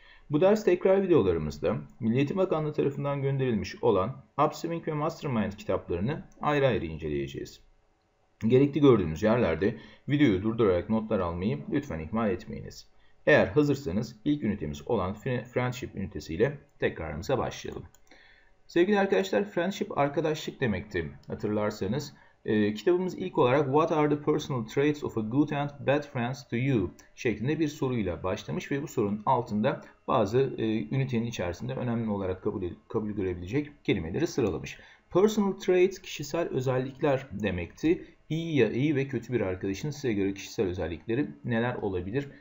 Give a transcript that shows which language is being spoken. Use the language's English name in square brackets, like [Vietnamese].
[Turkish] Bu ders tekrar videolarımızda Milli Eğitim Bakanlığı tarafından gönderilmiş olan Upswing ve Mastermind kitaplarını ayrı ayrı inceleyeceğiz. Gerekli gördüğünüz yerlerde videoyu durdurarak notlar almayı lütfen ihmal etmeyiniz. Eğer hazırsanız ilk ünitemiz olan Friendship ünitesiyle tekrarımıza başlayalım. Sevgili arkadaşlar, Friendship arkadaşlık demekti hatırlarsanız. Kitabımız ilk olarak [English] What are the personal traits of a good and bad friend to you? [Turkish] Şeklinde bir soruyla başlamış ve bu sorunun altında bazı ünitenin içerisinde önemli olarak kabul görebilecek kelimeleri sıralamış. Personal traits kişisel özellikler demekti. İyi ya iyi ve kötü bir arkadaşın size göre kişisel özellikleri neler olabilir?